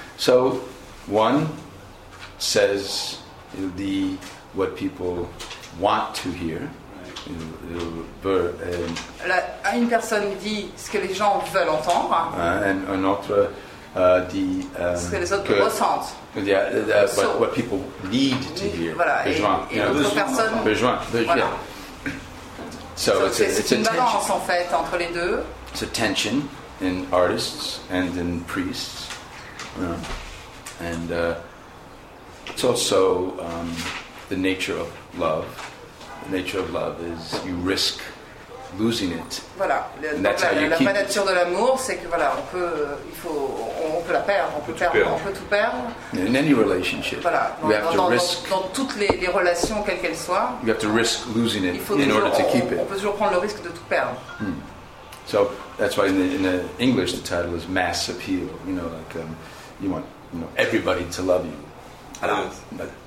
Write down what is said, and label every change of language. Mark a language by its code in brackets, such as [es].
[en] So one says what people want to hear. [fr] Une personne dit ce que les gens veulent entendre. Un autre dit ce que les autres ressentent. [en] Yeah, what people need to hear. [fr] Voilà, besoin. Voilà. [en] So it's [fr] une balance en fait entre les deux. [en] It's a tension in artists and in priests, and it's also the nature of love. The nature of love is you risk losing it. [fr] Voilà. [en] And that's how you keep. [fr] La vraie nature de l'amour, c'est que voilà, on peut la perdre, on peut tout perdre. [en] In any relationship, [fr] voilà, [en] you have to risk [fr] dans toutes les relations quelles qu'elles soient. [en] You have to risk losing it in order to keep it. [fr] On peut toujours prendre le risque de tout perdre. Hmm. [en] So that's why in the English the title is Mass Appeal. You know, like you want everybody to love you.